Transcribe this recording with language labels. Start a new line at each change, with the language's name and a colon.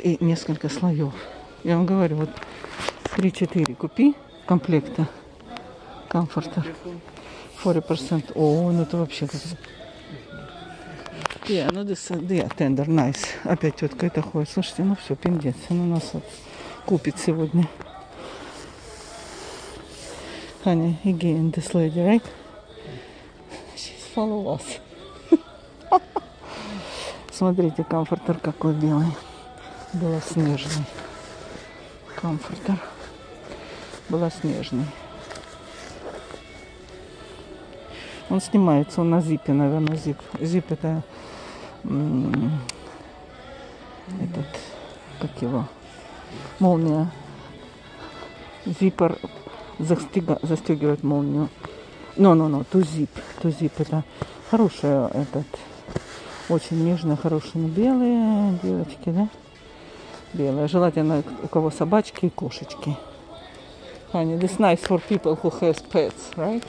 Russian: И несколько слоев. Я вам говорю, вот 3-4 купи комплекта комфорта. 40%. О, ну это вообще как.
English: Yeah,
Russian: ну
English: this tender, nice.
Russian: Опять тетка это ходит. Слушайте, ну все, пиндец. Она нас вот купит сегодня.
English: Honey, again, this lady, right? She's follow us.
Russian: Смотрите, комфортер какой белый. Белоснежный. Комфортер. Белоснежный. Он снимается, он на зипе, наверное, зип. Зип это этот, как его, молния. Зипер застегивает молнию. Но,
English: ту зип
Russian: это хороший этот. Очень нежные, хорошие белые девочки, да? Белые. Желательно, у кого собачки и кошечки.
English: Honey, this nice for people who has pets, right?